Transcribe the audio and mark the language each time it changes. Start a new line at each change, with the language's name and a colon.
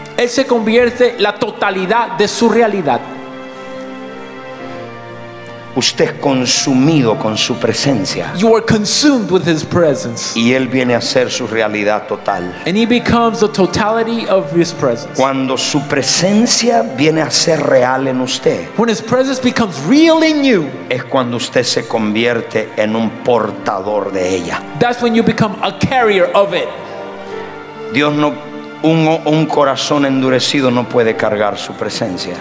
Spanish: Él se convierte la totalidad de su realidad. Usted es consumido con su presencia.
English: You are consumed with his presence.
Spanish: Y él viene a ser su realidad total.
English: And he becomes the totality of his presence.
Spanish: Cuando su presencia viene a ser real en usted.
English: When his presence becomes real in you.
Spanish: Es cuando usted se convierte en un portador de ella.
English: That's when you become a carrier of it.
Spanish: Dios no un corazón endurecido no puede cargar su presencia.